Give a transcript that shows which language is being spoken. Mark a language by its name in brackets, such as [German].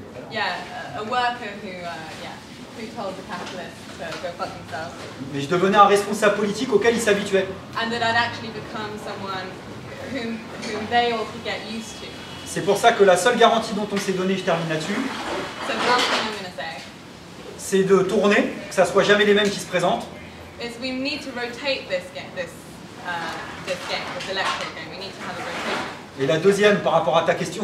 [English] A worker who, who told the capitalists to go fuck themselves. [French] Mais je devenais un responsable politique auquel ils s'habituaient. [English] And that I'd actually become someone whom they all could get used to. [French] C'est pour ça que la seule garantie dont on s'est donné, je termine là-dessus, [English] so the last thing I'm gonna say, [French] c'est de tourner, que ça soit jamais les mêmes qui se présentent. [English] Is we need to rotate this electoral game. We need to have a rotation. [French] Et la deuxième, par rapport à ta question.